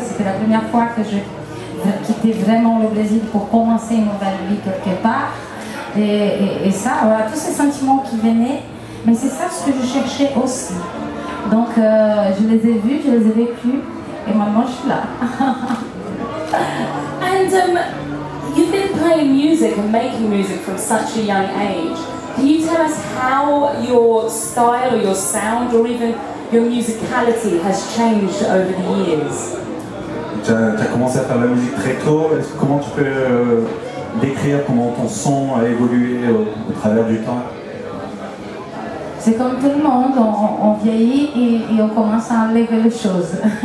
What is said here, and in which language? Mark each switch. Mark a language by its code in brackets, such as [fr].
[fr] C'était la première fois que je quittais vraiment le Brésil pour commencer une nouvelle vie quelque part. Et ça, voilà, tous ces sentiments qui venaient, mais c'est ça ce que je cherchais aussi. Donc, je les ai vus, je les ai vécus, et maintenant je suis là. [en] And you've been playing music and making music from such a young age. Can you tell us how your style or your sound or even your musicality has changed over the years? [fr] T'as commencé à faire la musique très tôt. Est-ce, comment tu peux décrire comment ton son a évolué au travers du temps? C'est comme tout le monde, on vieillit et on commence à enlever les choses.